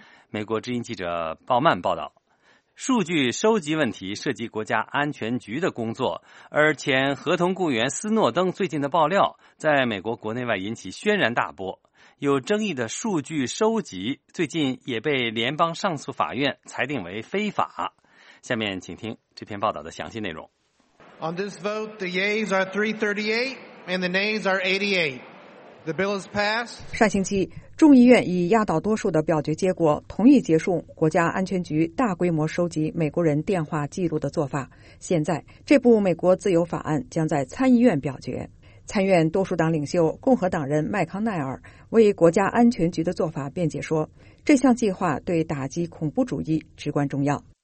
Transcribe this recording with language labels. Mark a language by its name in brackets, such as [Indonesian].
[Chinese] 美国之音记者鲍曼报道，数据收集问题涉及国家安全局的工作，而前合同雇员斯诺登最近的爆料在美国国内外引起轩然大波。有争议的数据收集最近也被联邦上诉法院裁定为非法。下面请听这篇报道的详细内容。 [English] On this vote, the yeas are 338 and the nays are 88. The bill is passed. [Chinese] 上星期，众议院以压倒多数的表决结果同意结束国家安全局大规模收集美国人电话记录的做法。现在，这部美国自由法案将在参议院表决。参院多数党领袖共和党人麦康奈尔为国家安全局的做法辩解说，这项计划对打击恐怖主义至关重要。